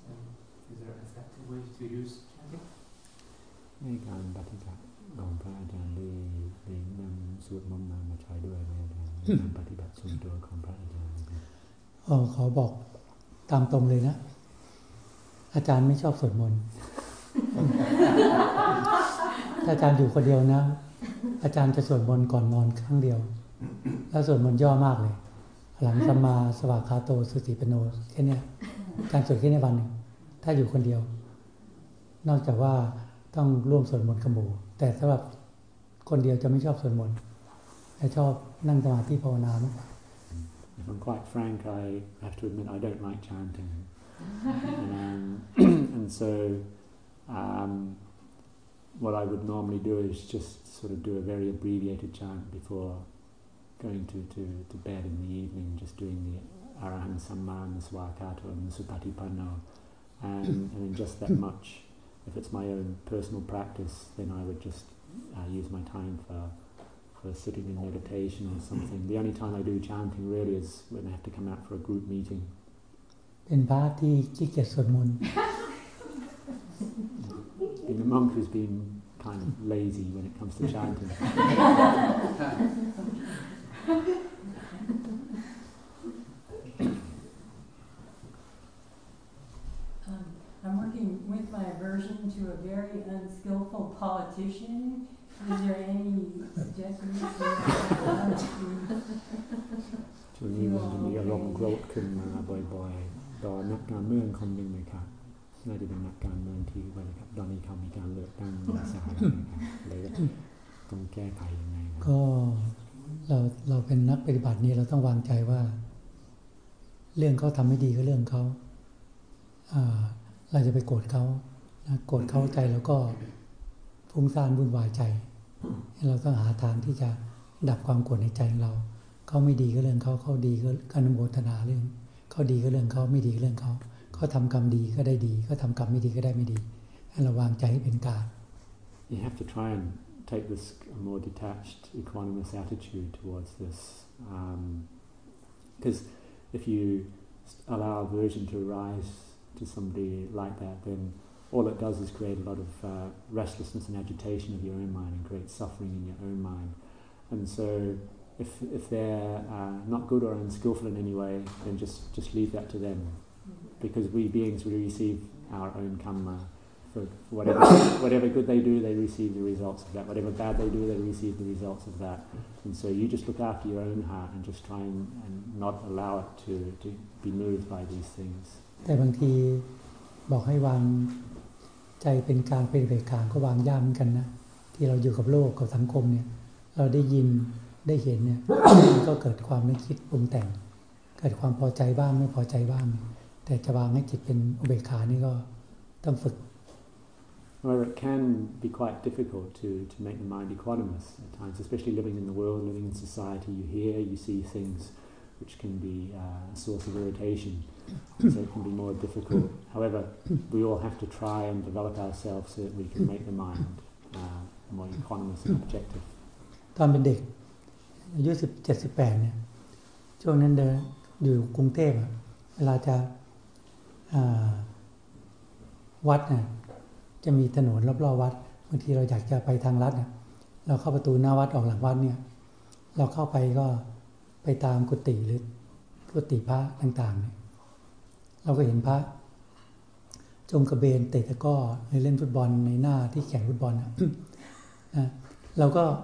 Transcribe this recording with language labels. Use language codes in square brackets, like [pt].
[en] And is there an effective way to use chanting? [th] ในการปฏิบัติของพระอาจารย์ได้นำสวดมนต์มาใช้ด้วยในการปฏิบัติส่วนตัวของพระอาจารย์เขาบอกตามตรงเลยนะอาจารย์ไม่ชอบสวดมนต์ถ้าอาจารย์อยู่คนเดียวนะอาจารย์จะสวดมนต์ก่อนนอนครั้งเดียวแล้วสวดมนต์ย่อมากเลยหลังสัมมาสวากขาโตสุติปโนแค่นี้การสวดแค่ในวันถ้าอยู่คนเดียวนอกจากว่าต้องร่วมสวดมนต์กับหมู่แต่สำหรับคนเดียวจะไม่ชอบสวดมนต์แต่ชอบนั่งสมาธิภาวนามากกว่า [en] If I'm quite frank, I have to admit I don't like chanting. and so what I would normally do is just sort of do a very abbreviated chant before going to bed in the evening, just doing the Arahant Samma and the Svakato and the Suttatipanno and just that much. If it's my own personal practice, then I would just use my time for sitting in meditation or something. The only time I do chanting really is when I have to come out for a group meeting. Being a monk who's been kind of lazy when it comes to chanting. I'm working with my aversion to a very unskillful politician. Is there any suggestions? [th] ช่วงนี้มันจะมีอารมณ์โกรธขึ้นมาบ่อยๆต่อนักการเมืองคนหนึ่งนะครับน่าจะเป็นนักการเมืองที่ว่าครับตอนนี้เขามีการเลือกตั้งสาธารณะเลยต้องแก้ไขยังไง ก็เราเป็นนักปฏิบัตินี่เราต้องวางใจว่าเรื่องเขาทำไม่ดีก็เรื่องเขาเราจะไปโกรธเขานะโกรธเขาใจแล้วก็ฟุ้งซ่านวุ่นวายใจเราต้องหาทางที่จะดับความโกรธในใจของเราเขาไม่ดีก็เรื่องเขาเขาดีก็อนุโมทนาเรื่องเขาดีก็เรื่องเขาไม่ดีก็เรื่องเขาเขาทำกรรมดีก็ได้ดีเขาทำกรรมไม่ดีก็ได้ไม่ดีให้ระวังใจให้เป็นกลาง [en] You have to try and take this more detached equanimous attitude towards this because if you allow aversion to arise to somebody like that, then all it does is create a lot of restlessness and agitation of your own mind and create suffering in your own mind. And so if they're not good or unskillful in any way, then just leave that to them. Because we beings, we receive our own karma. For whatever good they do, they receive the results of that. Whatever bad they do, they receive the results of that. And so you just look after your own heart and just try and not allow it to be moved by these things. [th] แต่บางทีบอกให้วางใจเป็นกลางเป็นเบิกบานก็วางยากเหมือนกันนะที่เราอยู่กับโลกกับสังคมเนี่ยเราได้ยินได้เห็นเนี่ย ก็เกิดความนึกคิดปรุงแต่งเกิดความพอใจบ้างไม่พอใจบ้างแต่จะวางให้จิตเป็นอุเบกขานี่ก็ต้องฝึก [en] Well, it can be quite difficult to make the mind equanimous at times, especially living in the world, living in society. You hear, you see things which can be a source of irritation. So it can be more difficult. However, we all have to try and develop ourselves so that we can make the mind more equanimous and objective. [th] ตอนเป็นเด็กอายุ17-18เนี่ยช่วงนั้นเดินอยู่กรุงเทพอ่ะเวลาจะวัดน่ะจะมีถนนรอบๆวัดบางทีเราอยากจะไปทางลัดเราเข้าประตูหน้าวัดออกหลังวัดเนี่ยเราเข้าไปก็ไปตามกุฏิหรือกุฏิพระต่างๆเราก็เห็นพระจงกระเบนเตะตะก้อในเล่นฟุตบอลในหน้าที่แข่งฟุตบอลนะเราก็